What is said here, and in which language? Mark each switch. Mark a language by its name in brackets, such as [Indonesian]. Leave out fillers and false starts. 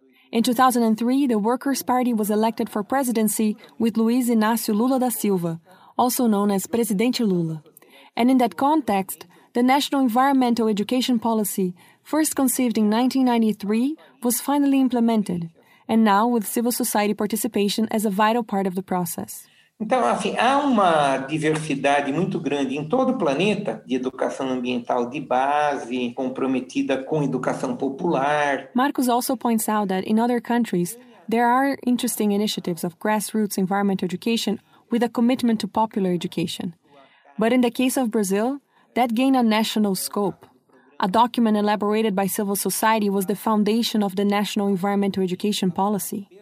[English] In 2003, the Workers' Party was elected for presidency with Luiz Inácio Lula da Silva, also known as Presidente Lula. And in that context, the National Environmental Education Policy, first conceived in 1993, was finally implemented, and now with civil society participation as a vital part of the process. [Portuguese] Então, assim, há uma diversidade muito grande em todo o planeta de educação ambiental de base, comprometida com educação popular. [English] Marcos also points out that in other countries, there are interesting initiatives of grassroots environmental education with a commitment to popular education. But in the case of Brazil, that gained a national scope. A document elaborated by civil society was the foundation of the National Environmental Education Policy.